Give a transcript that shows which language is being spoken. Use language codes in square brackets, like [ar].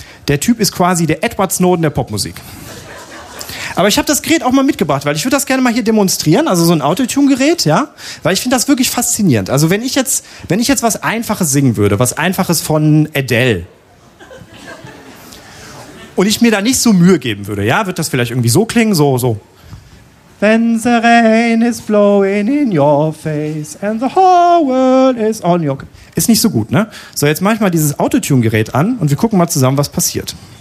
[de] Der Typ ist quasi der Edward Snowden der Popmusik. Aber ich habe das Gerät auch mal mitgebracht, weil ich würde das gerne mal hier demonstrieren, also so ein Autotune-Gerät, ja? Weil ich finde das wirklich faszinierend. Also wenn ich jetzt was Einfaches singen würde, was Einfaches von Adele, und ich mir da nicht so Mühe geben würde, ja, wird das vielleicht irgendwie so klingen, so. [en] When the rain is blowing in your face and the whole world is on your... [de] Ist nicht so gut, ne? So, jetzt mache ich mal dieses Autotune-Gerät an und wir gucken mal zusammen, was passiert.